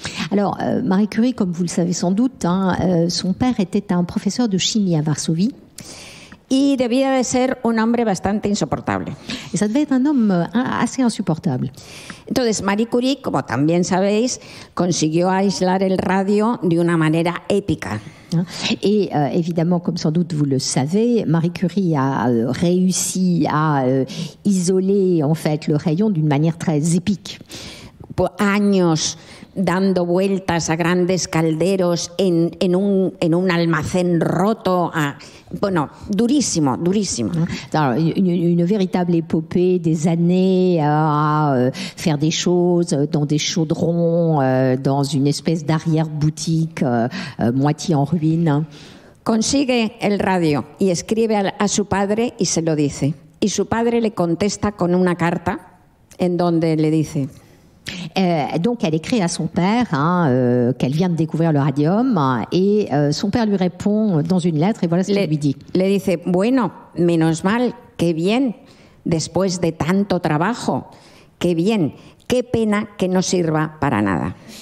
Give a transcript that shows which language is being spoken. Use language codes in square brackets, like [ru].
[fr] Alors, Marie Curie, comme vous le savez sans doute, hein, son père était un professeur de chimie à Varsovie. [es] Y debía de ser un hombre bastante insoportable. [fr] Y ça devait être un homme assez insupportable. [es] Entonces, Marie Curie, como también sabéis, consiguió aislar el radio de una manera épica. [fr] Et évidemment, comme sans doute vous le savez, Marie Curie a réussi à isoler en fait le rayon d'une manière très épique. [es] Por años dando vueltas a grandes calderos en un almacén roto, bueno, durísimo, durísimo. [fr] Une véritable épopée des années à faire des choses dans des chaudrons, dans une espèce d'arrière-boutique moitié en ruine. [es] Consigue el radio y escribe a su padre y se lo dice. Y su padre le contesta con una carta en donde le dice... [fr] Donc elle écrit à son père hein, qu'elle vient de découvrir le radium et son père lui répond dans une lettre et voilà ce qu'elle lui dit. [es] Le dice, bueno, menos mal, que bien, después de tanto trabajo, que bien, qué pena que no sirva para nada.